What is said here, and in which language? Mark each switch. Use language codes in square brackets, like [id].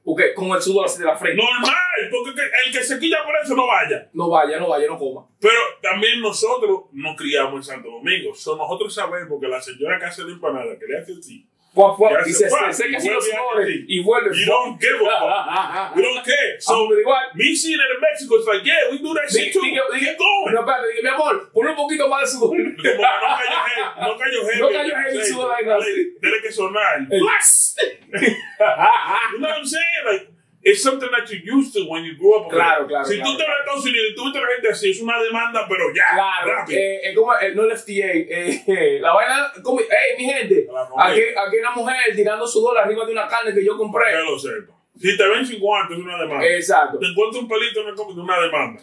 [es] ¿Por qué? Con el sudor así de la frente. Normal, porque el que se quilla por eso no vaya. No vaya, no coma. Pero también nosotros no criamos en Santo Domingo. So, nosotros sabemos que la señora que hace la empanada, que le hace así. Fuap, y se seca así los olores y vuelve. [en] You don't care, fuap. You don't care. So, me seeing it in Mexico, it's like, yeah, we do that shit too. Get going. [es] No, espérate, dije, mi amor, pon un poquito más de sudor. No cayó heavy. No cayó heavy sudor [en] like that. [es] Tiene que sonar. [en] Plus. You know what I'm saying? Like, it's something that you're used to when you grow up. [es] Claro, claro. Si tú te vas a Estados Unidos y tú ves la gente así, es una demanda, pero ya. Claro. Es como, no el FDA. La vaina, como, hey, mi gente. Aquí una mujer tirando sudor arriba de una carne que yo compré. Que lo sepa. Si te ven sin guantes, es una demanda. Exacto. Te encuentras un pelito, no es como una demanda.